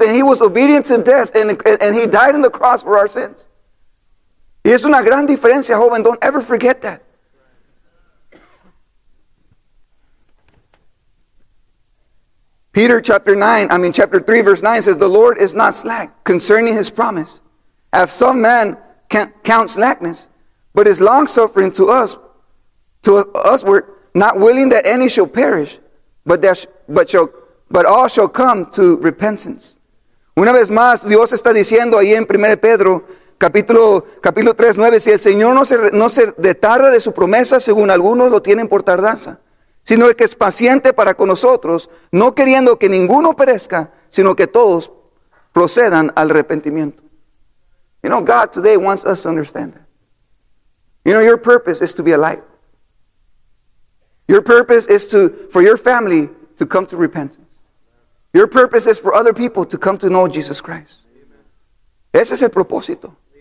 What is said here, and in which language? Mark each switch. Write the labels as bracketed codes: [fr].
[en] And He was obedient to death, and He died on the cross for our sins. [es] Y es una gran diferencia, joven. [en] Don't ever forget that. Peter chapter 3, verse 9 says, the Lord is not slack concerning His promise, as some men count slackness, but is long-suffering to us were not willing that any shall perish, but all shall come to repentance. [es] Una vez más, Dios está diciendo ahí en 1 Pedro, capítulo 3, 9, si el Señor no se retarda de su promesa, según algunos lo tienen por tardanza, sino el que es paciente para con nosotros, no queriendo que ninguno perezca, sino que todos procedan al arrepentimiento. [en] You know, God today wants us to understand that. You know, your purpose is to be a light. Your purpose is for your family to come to repentance. Your purpose is for other people to come to know Jesus Christ. [es] Ese es el propósito.